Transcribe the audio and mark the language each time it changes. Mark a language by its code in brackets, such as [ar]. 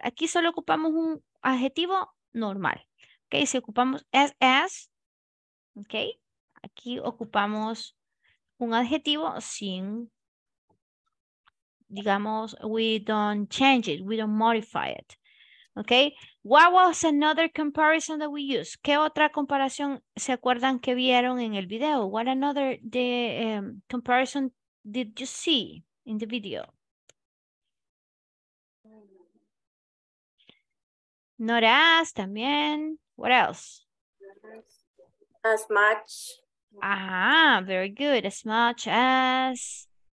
[es] Aquí solo ocupamos un adjetivo normal. Okay, si ocupamos as, okay, aquí ocupamos un adjetivo sin, digamos, [en] we don't change it, we don't modify it. Okay, what was another comparison that we use? [es] ¿Qué otra comparación se acuerdan que vieron en el video? [en] What another comparison did you see in the video? Not as, también. What else? As much. Ah, very good. As much as.